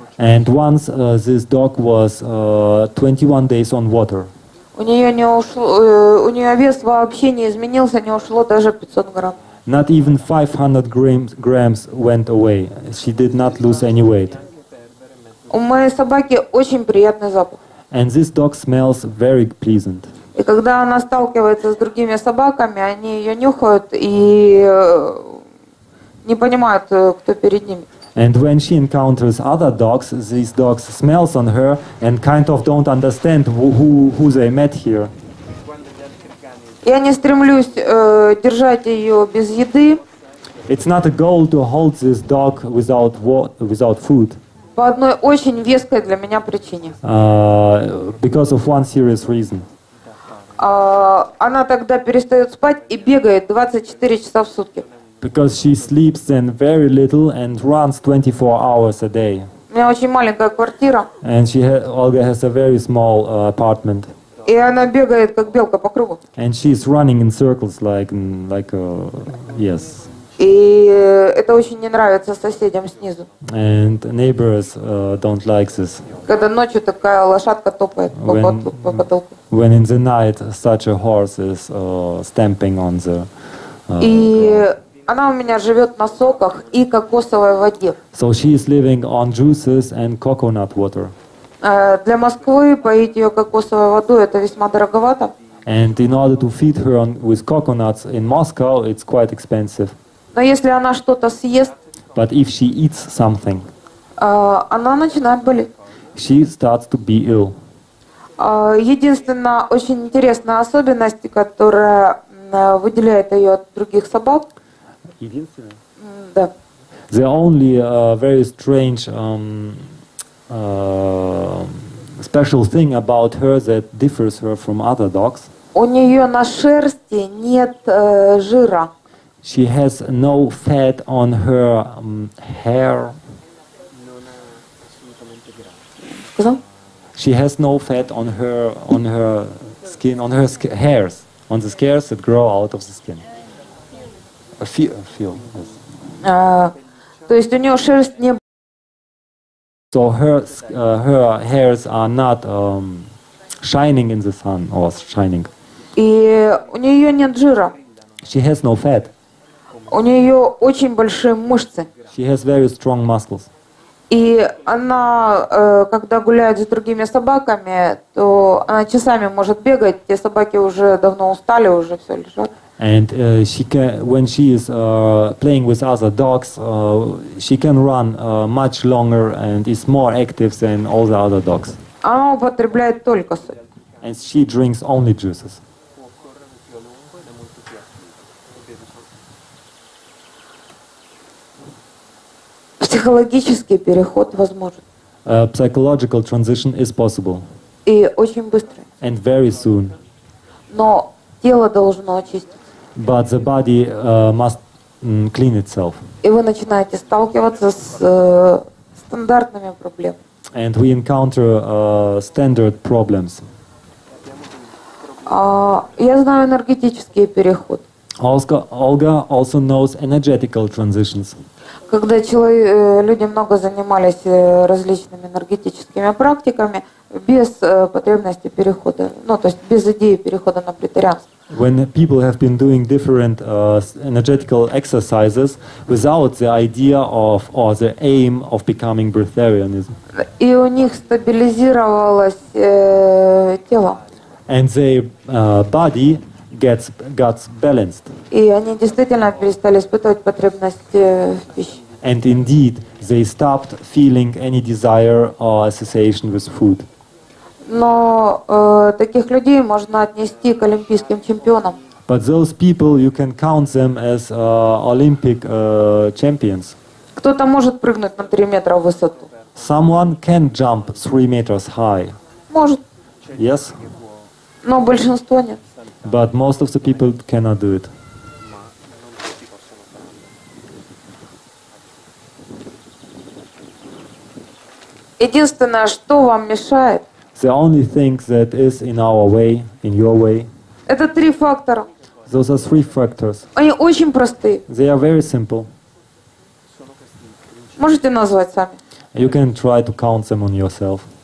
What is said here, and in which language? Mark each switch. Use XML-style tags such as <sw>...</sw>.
<en>And once this dog was 21 days on water.</en> <ru>У нее не ушло, у нее вес вообще не изменился, не ушло даже 500 грамм.</ru> <en>Not even 500 grams went away. She did not lose any weight.</en> <ru>У моей собаки очень приятный запах.</ru> <en>And this dog smells very pleasant.</en> <ru>И когда она сталкивается с другими собаками, они ее нюхают и не понимают, кто перед ними.</ru> <en>And when she encounters other dogs, these dogs smells on her and kind of don't understand who they met here.</en> <ru>Я не стремлюсь держать ее без еды.</ru> <en>It's not a goal to hold this dog without food.</en> <ru>По одной очень веской для меня причине.</ru> <en>Because of one serious reason.</en> <ru>Она тогда перестает спать и бегает 24 часа в сутки.</ru> <en>Because she sleeps then very little and runs 24 hours a day.</en> <ru>У меня очень маленькая квартира.</ru> <en>And Olga has a very small apartment.</en> <ru>И она бегает как белка по кругу.</ru> <en>And she is running in circles like a, yes.</en> <ru>И это очень не нравится соседям снизу.</ru> <en>And neighbors don't like this.</en> <ru>Когда ночью такая лошадка топает по потолку.</ru> <en>When in the night such a horse is stamping on the.</en> <ru>И она у меня живет на соках и кокосовой воде.</ru> <en>So she is living on juices and coconut water.</en> <ru>Для Москвы поить ее кокосовой водой это весьма дороговато.</ru> <en>And in order to feed her with coconuts in Moscow, it's quite expensive.</en> <ru>Но если она что-то съест,</ru> <en>but if she eats something,</en> <ru>она начинает болеть.</ru> <en>She starts to be ill.</en> <ru>Единственная очень интересная особенность, которая выделяет ее от других собак. Единственная? Да.</ru> <en>The only very strange special thing about her that differs her from other dogs.</en> <ru>У нее на шерсти нет жира.</ru> <en>She has no fat on her hair. She has no fat on her skin, on her hairs, on the scales that grow out of the skin. A feel. Yes.</en> <ru>То есть у нее шерсть не.</ru> <en>So her hairs are not shining in the sun or shining.</en> <ru>И у нее нет жира.</ru> <en>She has no fat.</en> <ru>У нее очень большие мышцы.</ru> <en>She has very strong muscles.</en> <ru>И она, когда гуляет с другими собаками, то она часами может бегать. Те собаки уже давно устали, уже все лежат.</ru> <en>And she can, when she is playing with other dogs, she can run much longer and is more active than all the other dogs.</en> <ru>Она употребляет только сок.</ru> <en>And she drinks only juices.</en> <ru>Психологический переход возможен.</ru> <en>Psychological transition is possible.</en> <ru>И очень быстро.</ru> <en>And very soon.</en> <ru>Но тело должно очиститься.</ru> <en>But the body must clean itself.</en> <ru>И вы начинаете сталкиваться с стандартными проблемами.</ru> <en>And we encounter standard problems.</en> <ru>Я знаю энергетический переход.</ru> <en>Olga also knows energetical transitions.</en> <ru>Когда люди много занимались различными энергетическими практиками без потребности перехода, ну то есть без идеи перехода на претарианство.</ru> <en>When people have been doing different energetical exercises without the idea of or the aim of becoming breatharianism.</en> <ru>И у них стабилизировалось тело.</ru> <en>And their body gets balanced.</en> <ru>И они действительно перестали испытывать потребность в пище.</ru> <en>And indeed, they stopped feeling any desire or association with food.</en> <ru>Но таких людей можно отнести к олимпийским чемпионам.</ru> <en>But those people, you can count them as Olympic champions.</en> <ru>Кто-то может прыгнуть на 3 метра в высоту.</ru> <en>Someone can jump 3 meters high.</en> <ru>Может.</ru> <en>Yes.</en> <ru>Но большинство нет.</ru> <en>But most of the people cannot do it.</en> <ru>Единственное, что вам мешает.</ru> <en>The only thing that is in our way, in your way.</en> <ru>Это три фактора.</ru> <en>Those are three factors.</en> <ru>Они очень простые.</ru> <en>They are very simple.</en> <ru>Можете назвать сами.</ru> <en>You can try to count them on yourself.</en>